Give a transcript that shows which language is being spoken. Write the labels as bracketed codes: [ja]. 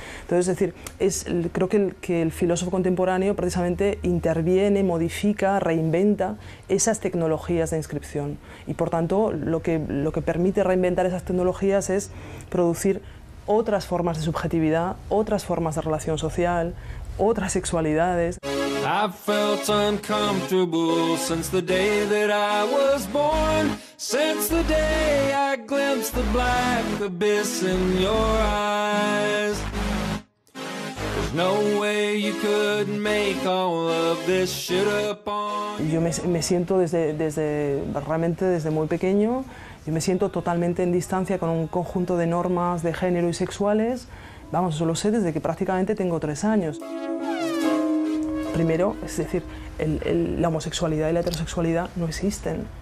[es] Entonces, es decir, creo que el filósofo contemporáneo precisamente interviene, modifica, reinventa esas tecnologías de inscripción, y por tanto lo que permite reinventar esas tecnologías es producir otras formas de subjetividad, otras formas de relación social, otras sexualidades. [en] I've felt uncomfortable since the day that I was born, since the day I glimpsed the black abyss in your eyes. There's no way you could make all of this shit up on. [es] Yo me siento desde muy pequeño. Yo me siento totalmente en distancia con un conjunto de normas de género y sexuales. Vamos, eso lo sé desde que prácticamente tengo 3 años. Primero, es decir, la homosexualidad y la heterosexualidad no existen.